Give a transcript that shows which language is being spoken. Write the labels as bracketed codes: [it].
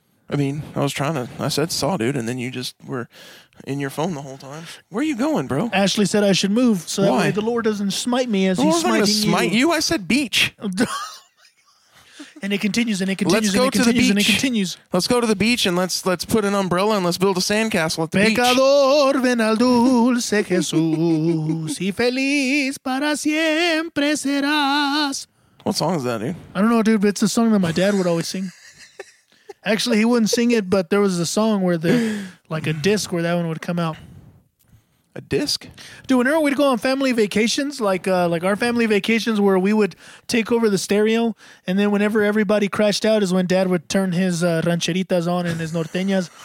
[en] I mean, I said saw, dude, and then you just were in your phone the whole time. Where are you going, bro? Ashley said I should move so that way the Lord doesn't smite me as he's smiting you. The Lord's not going to smite you. I said beach. And it continues and it continues and it continues, and it continues and it continues. Let's go to the beach and let's put an umbrella and let's build a sandcastle at the beach. [es] Pecador, ven al dulce Jesús y feliz para siempre serás. [en] What song is that, dude? I don't know, dude, but it's a song that my dad would always sing. Actually, he wouldn't sing it, but there was a song where a disc where that one would come out. A disc? Dude, whenever we'd go on family vacations, like our family vacations where we would take over the stereo, and then whenever everybody crashed out is when Dad would turn his rancheritas on and his norteñas.